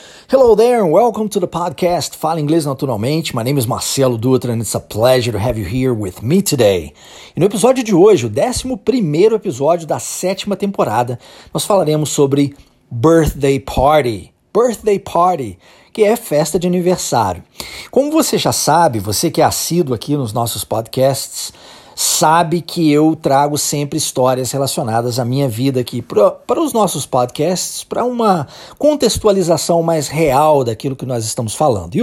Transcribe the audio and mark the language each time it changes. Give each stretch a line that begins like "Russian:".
English: Hello there and welcome to the podcast Fala Inglês Naturalmente. My name is Marcelo Dutra and it's a pleasure to have you here with me today.
Portuguese: E no episódio de hoje, o 11º episódio da 7ª temporada, nós falaremos sobre birthday party. Birthday party, que é festa de aniversário. Como você já sabe, você que é assíduo aqui nos nossos podcasts, sabe que eu trago sempre histórias relacionadas à minha vida aqui para os nossos podcasts, para uma contextualização mais real daquilo que nós estamos falando.